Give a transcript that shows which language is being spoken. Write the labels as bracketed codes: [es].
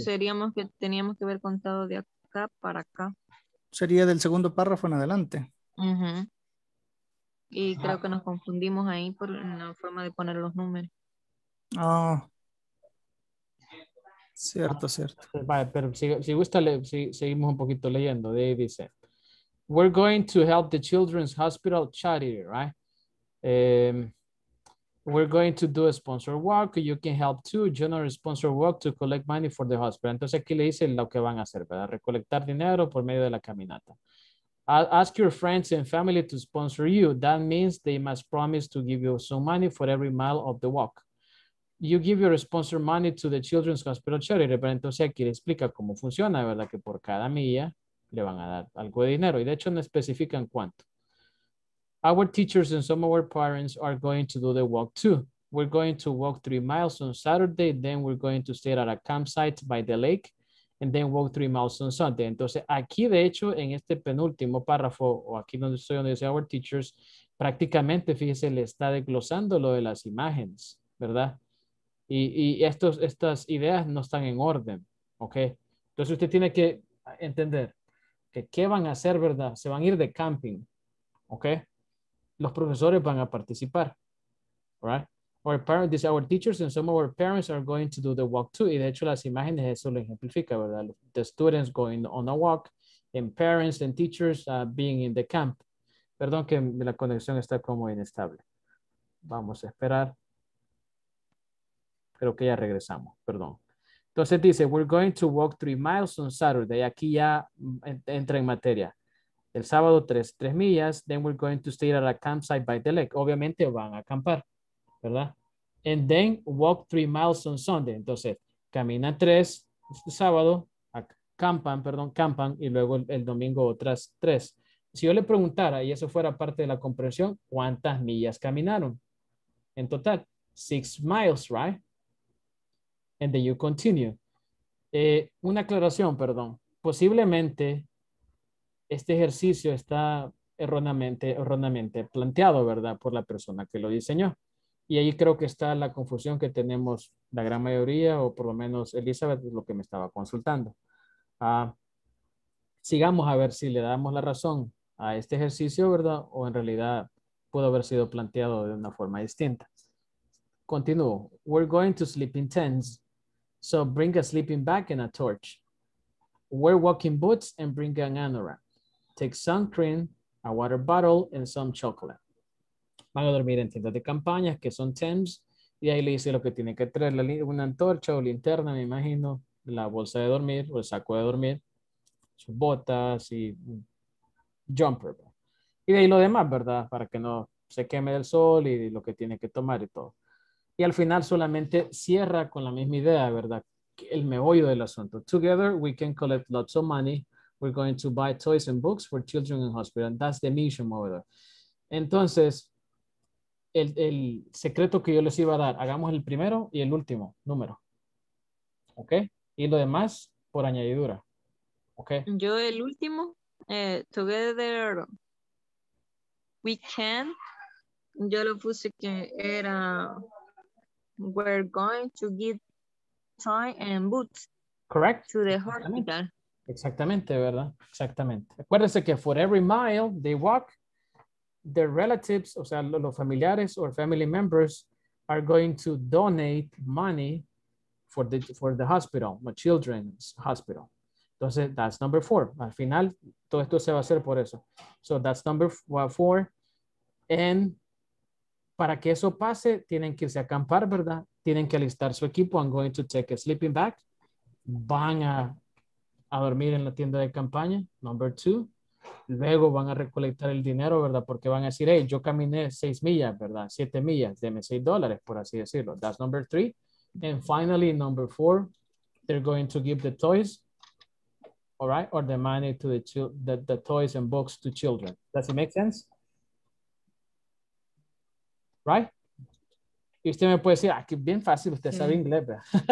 [es] seríamos que teníamos que haber contado de acá para acá. Sería del segundo párrafo en adelante. Uh-huh. Y Ajá. creo que nos confundimos ahí por la forma de poner los números. Ah, oh. Cierto, cierto. Vale, pero si gusta, seguimos un poquito leyendo. De ahí dice, [en] we're going to help the children's hospital charity, right? We're going to do a sponsor walk. You can help too. General sponsor walk to collect money for the hospital. [es] Entonces aquí le dice lo que van a hacer, ¿verdad? Recolectar dinero por medio de la caminata. [en] Ask your friends and family to sponsor you. That means they must promise to give you some money for every mile of the walk. You give your sponsor money to the children's hospital charity. [es] Pero entonces aquí le explica cómo funciona, ¿verdad? Que por cada milla le van a dar algo de dinero. Y de hecho no especifican cuánto. [en] Our teachers and some of our parents are going to do the walk too. We're going to walk 3 miles on Saturday. Then we're going to stay at a campsite by the lake. And then walk 3 miles on Sunday. [es] Entonces aquí de hecho en este penúltimo párrafo, o aquí donde estoy donde dice [en] our teachers, [es] prácticamente fíjese le está desglosando lo de las imágenes, ¿verdad? Y estas ideas no están en orden, ¿ok? Entonces usted tiene que entender que qué van a hacer, ¿verdad? Se van a ir de camping, ¿ok? Los profesores van a participar, ¿right? [en] Our parents, dice, our teachers and some of our parents are going to do the walk too. [es] Y de hecho las imágenes eso lo ejemplifica, ¿verdad? [en] The students going on a walk and parents and teachers being in the camp. [es] Perdón que la conexión está como inestable. Vamos a esperar. Creo que ya regresamos, perdón. Entonces dice, [en] we're going to walk 3 miles on Saturday. [es] Aquí ya entra en materia. El sábado tres millas. [en] Then we're going to stay at a campsite by the lake. [es] Obviamente van a acampar, ¿verdad? [en] And then walk 3 miles on Sunday. [es] Entonces, caminan tres sábado, acampan, y luego el domingo otras tres. Si yo le preguntara, y eso fuera parte de la comprensión, ¿cuántas millas caminaron? En total, [en] 6 miles, right? And then you continue. [es] Una aclaración, perdón. Posiblemente este ejercicio está erróneamente planteado, ¿verdad? Por la persona que lo diseñó. Y ahí creo que está la confusión que tenemos la gran mayoría, o por lo menos Elizabeth es lo que me estaba consultando. Sigamos a ver si le damos la razón a este ejercicio, ¿verdad? O en realidad pudo haber sido planteado de una forma distinta. [en] Continúo. We're going to sleep in tents. So bring a sleeping bag and a torch. Wear walking boots and bring an anorak. Take sun cream, a water bottle, and some chocolate. [es] Van a dormir en tiendas de campaña, que son tents. Y ahí le dice lo que tiene que traer. Una antorcha o linterna, me imagino. La bolsa de dormir o el saco de dormir. Sus botas y jumper. Y de ahí lo demás, ¿verdad? Para que no se queme del sol y lo que tiene que tomar y todo. Y al final solamente cierra con la misma idea, ¿verdad? El meollo del asunto. [en] Together we can collect lots of money. We're going to buy toys and books for children in hospital. And that's the mission over there. [es] Entonces, el secreto que yo les iba a dar, hagamos el primero y el último número. ¿Ok? Y lo demás por añadidura. ¿Ok? Yo el último, [en] together we can. [es] Yo lo puse que era... [en] We're going to give tie and boots. Correct. To the hospital. [es] Exactamente, ¿verdad? Exactamente. Acuérdense que [en] for every mile they walk, their relatives, [es] o sea, los familiares [en] or family members are going to donate money for the hospital, the children's hospital. Entonces, that's number four. [es] Al final, todo esto se va a hacer por eso. [en] So that's number four. And... [es] Para que eso pase, tienen que irse a acampar, ¿verdad? Tienen que alistar su equipo. [en] I'm going to take a sleeping bag. [es] Van a dormir en la tienda de campaña. [en] Number two. [es] luego van a recolectar el dinero, ¿verdad? Porque van a decir, hey, yo caminé 6 millas, ¿verdad? 7 millas, deme $6, por así decirlo. [en] That's number three. And finally, number four, they're going to give the toys, all right? Or the money to the toys and books to children. Does it make sense? Right? [es] Y usted me puede decir, ah, que bien fácil, usted sabe inglés, ¿verdad?